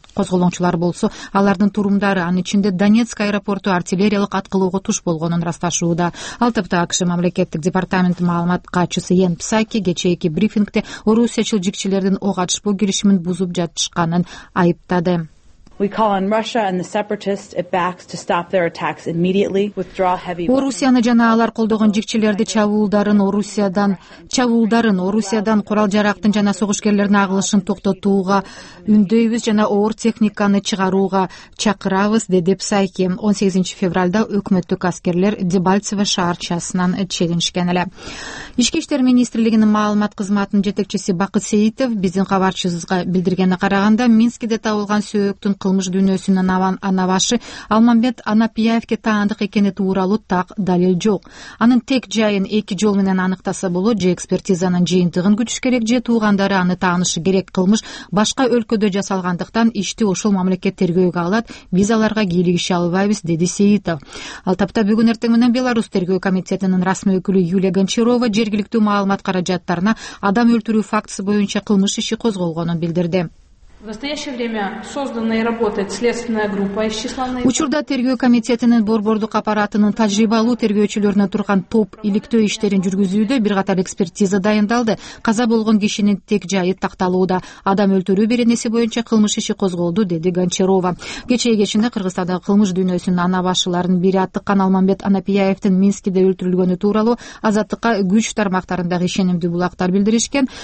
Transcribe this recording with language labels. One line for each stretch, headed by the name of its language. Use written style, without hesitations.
Kyrgyz: Козголоңчулар болсо, алардын турумдары анын ичинде Донецк аэропорту артиллериялык аткылоого туш болгонун расташууда. Ал тапта АКШ мамлекеттик департаменти маалымат катчысы Йен Псаки кечээки брифингде Орусиячыл жикчилердин ок атышпоо келишимин бузуп жатышканын айыптады.
English: We call on Russia and the separatists it backs to stop their attacks immediately. Withdraw heavy weapons.
Kyrgyz: Орусияны жана алар колдогон жикчилерди чабуулдарын Орусиядан курал жарактын жана согушкерлердин агылышын токтотууга үндөйбүз жана оор техниканы чыгарууга чакырабыз, деди Псайки. 18-февралда өкмөттүк аскерлер Дебальцево шаарчасынан чегинишкен эле. Ички иштер министрлигинин маалымат кызматынын жетекчиси Бакыт Сейитов биздин кабарчыбызга билдиргени караганда Минскиде табылган сөөктүн кылмыш дүйнөсүнүн анабашы Алмамбет Анапиаевке таандык экени тууралуу так далил жок. Анын тек жайын эки жол менен аныктаса болот: же экспертизанын жыйынтыгын күтүш керек, же туугандары аны таанышы керек. Кылмыш башка өлкөдө жасалгандыктан ишти ошол мамлекет тергөөгө алат, биз аларга кийлигише албайбыз, деди Сейитов. Ал тапта бүгүн эртең менен Беларусь тергөө комитетинин расмий өкүлү Юлия Гончарова жергиликтүү маалымат каражаттарына адам өлтүрүү фактысы боюнча кылмыш иши козголгонун билдирди.
Russian: В настоящее время создана и работает следственная группа из числа наиболее.
Kyrgyz: Учурда тергөө комитетинин борбордук аппаратынын тажрыйбалуу тергөөчүлөрүнө турган топ иликтөө иштерин жүргүзүүдө бир катар экспертиза дайындалды. Каза болгон кишинин тек жайы такталууда. Адам өлтүрүү беренеси боюнча кылмыш иши козголду, деди Гончарова. Кечээ кечинде Кыргызстандагы кылмыш дүйнөсүнүн анабашыларынын бири аттыккан Алмамбет Анапияевдин Минскиде өлтүрүлгөнү тууралуу Азаттыкка күч тармактарындагы ишенимдүү булактар билдиришкен.